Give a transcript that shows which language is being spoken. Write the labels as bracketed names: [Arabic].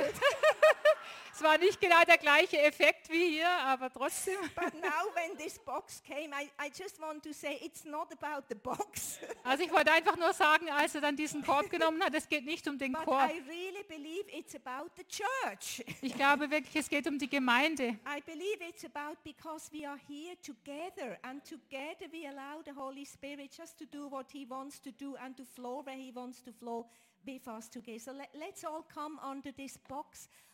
[German] es war nicht genau der gleiche Effekt wie hier, aber trotzdem. [English] But now when this box came, I just want to say it's not about the box. [German] Also ich wollte einfach nur sagen, als er dann diesen Korb genommen hat, es geht nicht um den [English] But [German] Korb. [English] I really believe it's about the church. [German] Ich glaube wirklich, es geht um die Gemeinde. [English] I believe it's about because we are here together and together we allow the Holy Spirit just to do what he wants to do and to flow where he wants to flow with us together. So let's all come under this box.